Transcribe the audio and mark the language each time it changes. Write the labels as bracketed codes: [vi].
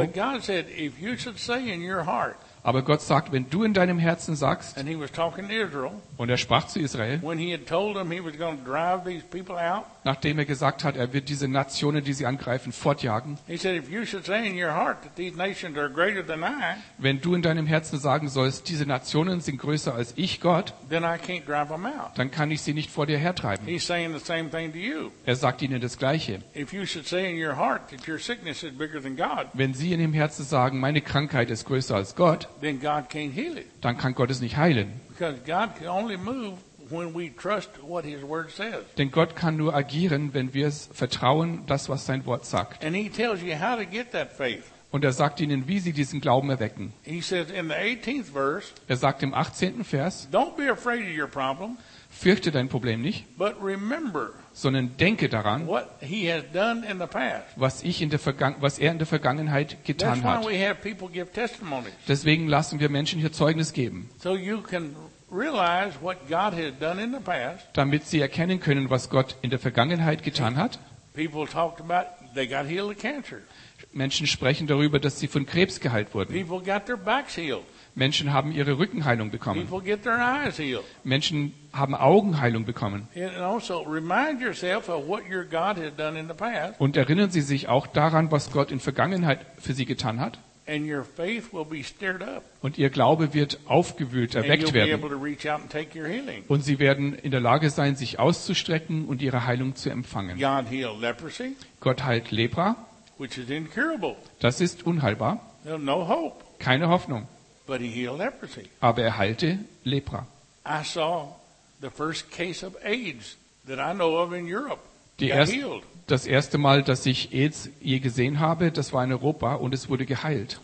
[en] But God said, if you should say in your heart. [de] Aber Gott sagt, wenn du in deinem Herzen sagst, [en] and he was talking to Israel, [de] und er sprach zu Israel, [en] when he had told them he was going to drive these people out, [de] nachdem er gesagt hat, er wird diese Nationen, die sie angreifen, fortjagen, [en] he said, if you should say in your heart that these nations are greater than I, [de] wenn du in deinem Herzen sagen sollst, diese Nationen sind größer als ich, Gott, [en] then I can't drive them out. [de] Dann kann ich sie nicht vor dir hertreiben. [en] He's saying the same thing to you. [de] Er sagt ihnen das Gleiche. [en] If you should say in your heart that your sickness is bigger than God, [de] wenn sie in ihrem Herzen sagen, meine Krankheit ist größer als Gott, [en] then God can't heal it. [de] Dann kann Gott es nicht heilen. [en] Because God can only move when we trust what His Word says. [de] Denn Gott kann nur agieren, wenn wir es vertrauen, das was sein Wort sagt. [en] And He tells you how to get that faith. [de] Und er sagt ihnen, wie sie diesen Glauben erwecken. [en] He says in the 18th verse. [de] Er sagt im 18. Vers. [en] Don't be afraid of your problem. [de] Fürchte dein Problem nicht. [en] But remember. [de] Sondern denke daran, [en] what he has done in the past. [de] Was er in der Vergangenheit getan hat. [en] That's why we have people give testimonies. [de] Deswegen lassen wir Menschen hier Zeugnis geben. [en] So you can realize what God has done in the past. [de] Damit sie erkennen können, was Gott in der Vergangenheit getan hat. [en] People talked about they got healed of cancer. [de] Menschen sprechen darüber, dass sie von Krebs geheilt wurden. [en] People got their backs healed. [de] Menschen haben ihre Rückenheilung bekommen. [en] People get their eyes healed. [de] Menschen haben Augenheilung bekommen. [en] And also remind yourself of what your God has done in the past. [de] Und erinnern Sie sich auch daran, was Gott in Vergangenheit für Sie getan hat. [en] And your faith will be stirred up. [de] Und Ihr Glaube wird aufgewühlt, erweckt [en] and you'll be [de] werden. [en] Able to reach out and take your healing. [de] Und Sie werden in der Lage sein, sich auszustrecken und Ihre Heilung zu empfangen. [en] God healed leprosy, [de] Gott heilt Lepra. [en] Which is incurable. [de] Das ist unheilbar. [en] No hope. [de] Keine Hoffnung. [en] But he healed leprosy. [de] Aber er heilte Lepra. [en] I saw the first case of AIDS that I know of in Europe. [de] Das erste Mal, dass ich AIDS je gesehen habe, das war in Europa und es wurde geheilt.